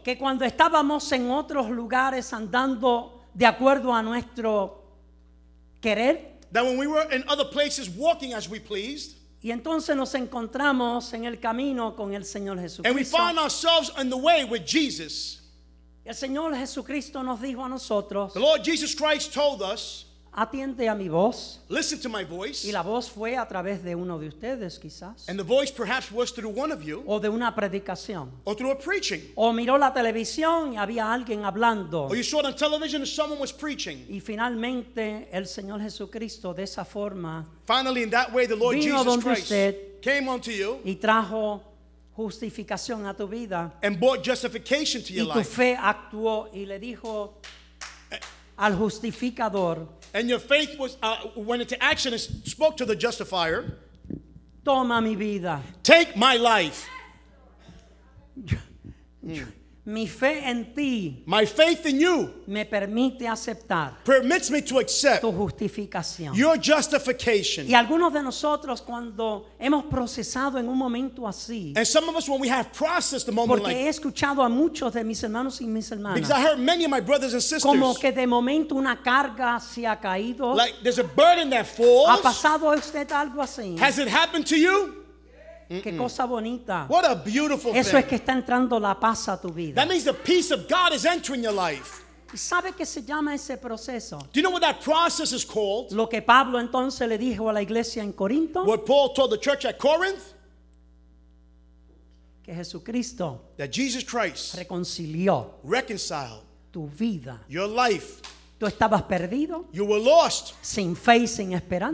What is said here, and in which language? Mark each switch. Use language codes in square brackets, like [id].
[es] Que cuando estábamos en otros lugares andando de acuerdo a nuestro querer. [en] That when we were in other places walking as we pleased. [es] Y entonces nos encontramos en el camino con el Señor Jesucristo. [en] And we find ourselves on the way with Jesus. [es] El Señor Jesucristo nos dijo a nosotros, [en] the Lord Jesus Christ told us, [es] atiende a mi voz, [en] listen to my voice, [es] y la voz fue a través de uno de ustedes quizás, [en] and the voice perhaps was through one of you, [es] o de una predicación, [en] or through a preaching, [es] o miró la televisión y había alguien hablando, [en] or you saw it on television and someone was preaching, [es] y finalmente el Señor Jesucristo de esa forma, [en] finally in that way the Lord [es] vino [en] Jesus [es] donde [en] Christ [es] usted, [en] came unto you, [es] y trajo justificación a tu vida, [en] and brought justification to your life. [es] Y tu fe actuó y le dijo al justificador. [en] And your faith was went into action and spoke to the justifier. [es] Toma mi vida. [en] Take my life. [es] Mi fe en ti. [en] My faith in you. [es] Me permite aceptar. [en] Permits me to accept. [es] Tu justificación. [en] Your justification. [es] Y algunos de nosotros cuando hemos procesado en un momento así. [en] And some of us when we have processed a moment [es] porque [en] like. [es] Porque he escuchado a muchos de mis hermanos y mis hermanas. [en] Because I heard many of my brothers and sisters. [es] Como que de momento una carga se ha caído. [en] Like there's a burden that falls. [es] ¿Ha pasado usted algo así? [en] Has it happened to you? [es] Qué cosa bonita. [en] What a beautiful thing. [es] Eso es que está entrando la paz a tu vida. [en] That means the peace of God is entering your life. [es] ¿Sabe qué se llama ese proceso? [en] Do you know what that process is called? [es] Lo que Pablo entonces le dijo a la iglesia en Corinto. [en] What Paul told the church at Corinth. [es] Que Jesucristo. [en] That Jesus Christ. [es] Reconcilió. [en] Reconciled. [es] Tu vida. [en] Your life. [es] Tú estabas perdido. [en] You were lost. [es] Sin fe y sin esperanza.